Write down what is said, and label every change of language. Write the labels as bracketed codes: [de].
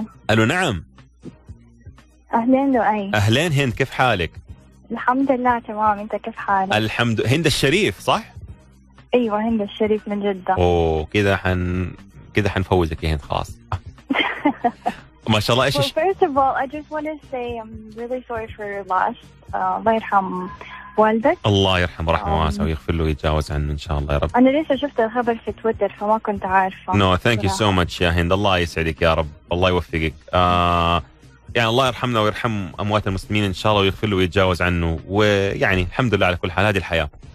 [ar] ألو نعم. أهلين لؤي. أهلين هند، كيف حالك؟ الحمد لله تمام، أنت كيف حالك؟ الحمد لله. هند الشريف صح؟ أيوة هند الشريف من جدة. أوه كذا كذا حنفوزك يا هند خاص. ما شاء الله. إيش؟ [en] Well, first of all, I just want to say I'm really sorry for your loss. [ar] الله يرحم والدك. الله يرحم رحمه واسع ويغفر له ويتجاوز عنه إن شاء الله يا رب. أنا لسه شفت الخبر في تويتر فما كنت عارفة. [en] No, thank you so much [ar] يا هند، الله يسعدك يا رب، الله يوفقك. يعني الله يرحمنا ويرحم أموات المسلمين إن شاء الله ويغفر له ويتجاوز عنه، ويعني الحمد لله على كل حال، هذه الحياة.